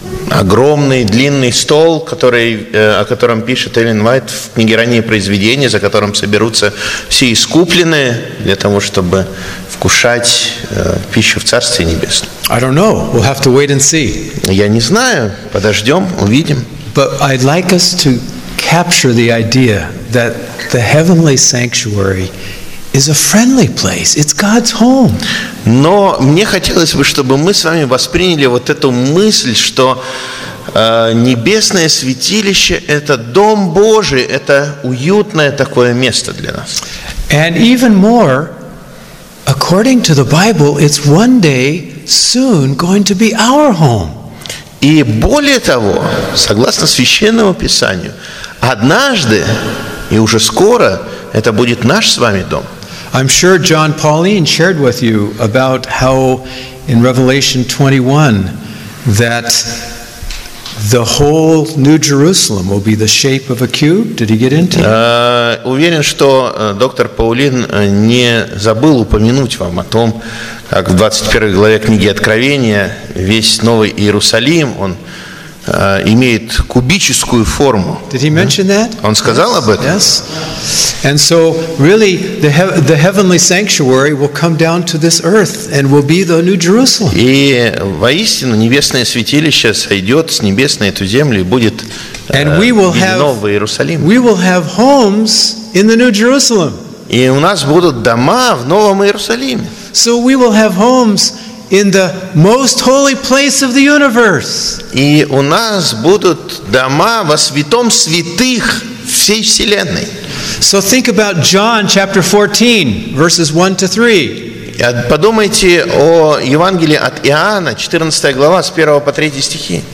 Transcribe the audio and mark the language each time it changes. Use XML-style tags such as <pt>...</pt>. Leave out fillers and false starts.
<ru>огромный длинный стол, который, о котором пишет Эллен Уайт в книге «Ранние произведения», за которым соберутся все искупленные для того, чтобы вкушать пищу в Царстве Небесном.</ru> <en>I don't know. We'll have to wait and see.</en> <ru>Я не знаю. Подождем, увидим.</ru> <en>But I'd like us to capture the idea that the heavenly sanctuary is a friendly place. It's God's home.</en> <ru>Но мне хотелось бы, чтобы мы с вами восприняли вот эту мысль, что небесное святилище – это дом Божий, это уютное такое место для нас.</ru> <en>And even more, according to the Bible, it's one day soon going to be our home.</en> <ru>И более того, согласно Священному Писанию, однажды и уже скоро это будет наш с вами дом.</ru> <en>I'm sure John Pauline shared with you about how in Revelation 21 that the whole New Jerusalem will be the shape of a cube. Did he get into it?</en> <ru>Уверен, что доктор Паулин не забыл упомянуть вам о том, как в 21 главе книги Откровения весь Новый Иерусалим, он имеет кубическую форму.</ru> <en>Did he mention that?</en> <ru>Он сказал об этом?</ru> <en>Yes. And so, really, the heavenly sanctuary will come down to this earth and will be the new Jerusalem.</en> <ru>И воистину небесное святилище сойдет с небес на эту землю и будет новый Иерусалим.</ru> <en>We will have homes in the new Jerusalem.</en> <ru>И у нас будут дома в новом Иерусалиме.</ru> <en>So we will have homes in the most holy place of the universe.</en> <ru>И у нас будут дома во святом святых всей вселенной.</ru> <en>So think about John chapter 14, verses 1 to 3.</en> <ru>Подумайте о Евангелии от Иоанна, 14 глава, с 1 по 3 стихи.</ru>